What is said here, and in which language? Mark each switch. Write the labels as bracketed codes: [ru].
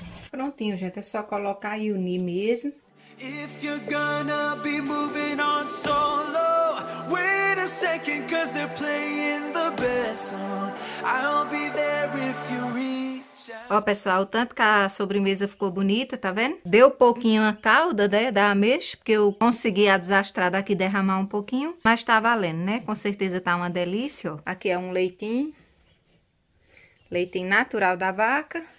[pt] Prontinho, gente. É só colocar e unir mesmo. [en] If you're gonna be moving on solo, wait a second, cause they're playing the best song. I'll be there if you reach out. [pt] Ó, pessoal, o tanto que a sobremesa ficou bonita, tá vendo? Deu pouquinho a calda, né, da ameixa, porque eu consegui a desastrada aqui derramar um pouquinho. Mas tá valendo, né? Com certeza tá uma delícia, ó. Aqui é um leitinho. Leitinho natural da vaca.